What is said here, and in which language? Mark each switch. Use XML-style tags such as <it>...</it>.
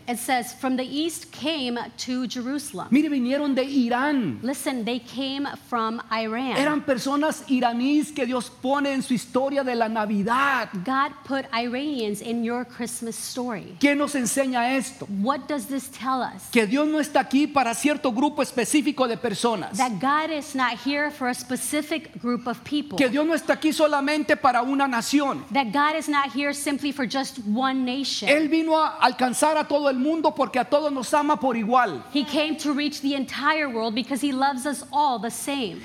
<en>It says, from the east came to Jerusalem.</en> <es>Mire, vinieron de Irán.</es> <en>Listen, they came from Iran.</en> <es>Eran personas iraníes que Dios pone en su historia de la Navidad.</es> <en>God put Iranians in your Christmas story.</en> <es>¿Qué nos enseña esto?</es> <en>What does this tell us?</en> <es>Que Dios no está aquí para cierto grupo específico de personas.</es> <en>That God is not here for a specific group of people.</en> <es>Que Dios no está aquí solamente para una nación.</es> <en>That God is not here simply for just one nation.</en> <es>Él vino a alcanzar a todo el mundo porque a todos nos ama por igual.</es> <en>He came to reach the entire world because he loves us all the same.</en>